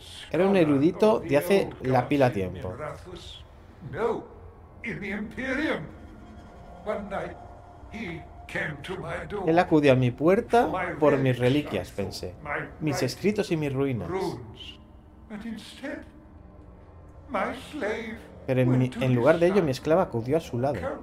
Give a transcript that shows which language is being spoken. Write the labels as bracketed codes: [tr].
[es] Era un erudito de hace la pila tiempo. [en] No, in the Imperium. One night he came to my door. [es] Él acudió a mi puerta por mis reliquias, pensé. Mis escritos y mis ruinas. [en] But instead, my slave. [es] Pero en lugar de ello, mi esclava acudió a su lado.